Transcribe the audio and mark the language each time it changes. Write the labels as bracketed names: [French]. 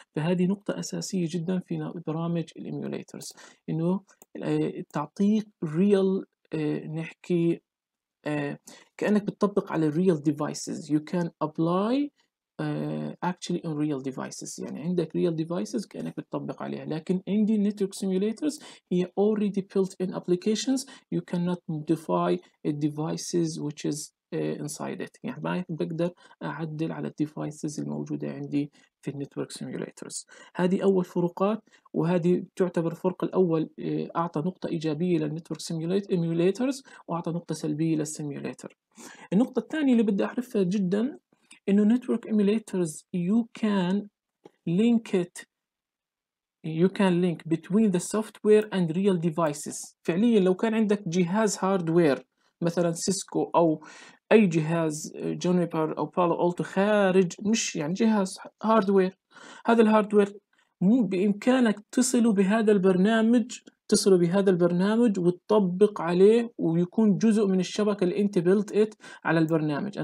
[Arabic] فهذه نقطه اساسيه جدا في برامج الايميوليترز، انه تعطيك ريال، نحكي كانك بتطبق على الريال ديفايسز. [English] you can apply actually on real devices، [Arabic] يعني عندك [English] real devices [Arabic] كأنك بتطبق عليها. لكن عندي network simulators هي [English] already built in applications، you cannot modify devices which is inside it، [Arabic] يعني ما بقدر أعدل على devices الموجودة عندي في network simulators. هذه أول فروقات، وهذه تعتبر فرق الأول. أعطى نقطة إيجابية للnetwork simulators وأعطى نقطة سلبية للsimulator. النقطة الثانية اللي بدي أعرفها جدا إنه [English] network emulators you can link it، you can link between the software and real devices. [Arabic] فعليا لو كان عندك جهاز hardware مثلا سيسكو أو أي جهاز جونيبر أو بالو ألتو خارج، مش يعني جهاز hardware، هذا hardware بإمكانك تصله بهذا البرنامج، تصلوا بهذا البرنامج وتطبق عليه ويكون جزء من الشبكة اللي انت built it على البرنامج.